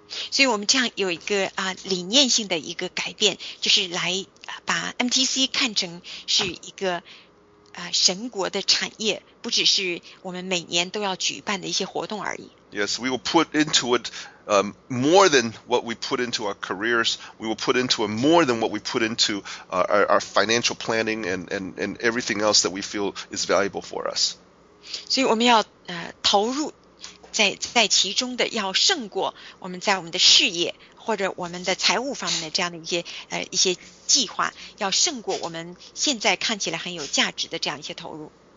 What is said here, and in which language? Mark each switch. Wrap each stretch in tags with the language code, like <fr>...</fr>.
<zh>所以我们这样有一个啊理念性的一个改变，就是来把 MTC 看成是一个啊神国的产业，不只是我们每年都要举办的一些活动而已。</zh> <en>Yes, we will put into it more than what we put into our careers. We will put into it more than what we put into our financial planning and everything else that we feel is valuable for us.</en> <zh>所以我们要投入。在其中的要胜过我们在我们的事业或者我们的财务方面的这样的一些计划，要胜过我们现在看起来很有价值的这样一些投入。</zh>